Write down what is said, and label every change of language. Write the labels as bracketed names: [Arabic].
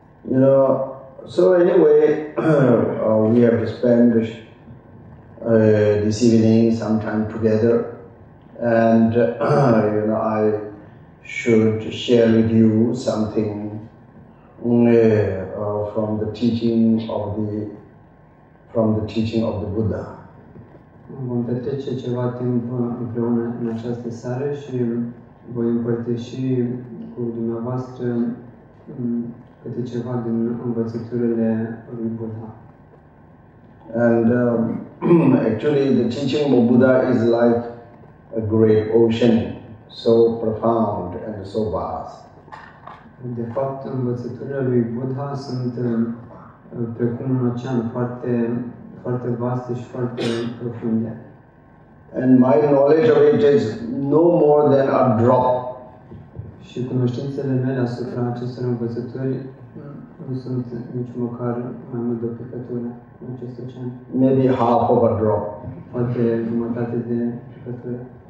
[English] You know, so anyway, we have to spend this evening some time together. And you know, I should share with you something from the teaching of the Buddha. [Romanian] Vom petrece ceva timp împreună în această seară și voi împărtăși cu dumneavoastră câte ceva din învățăturile lui Buddha. [English] And actually, the teaching of Buddha is like a great ocean, so profound and so vast. [Romanian] De fapt, învățăturile lui Buddha sunt precum un ocean foarte foarte vaste și foarte profunde. [English] And my knowledge of it is no more than a drop. [Romanian] Și cunoștințele mele asupra acestor învățături nu sunt nici măcar mai mult de o picătură în acest ocean. [English] Maybe half of a drop. [Romanian] Poate jumătate de picătură.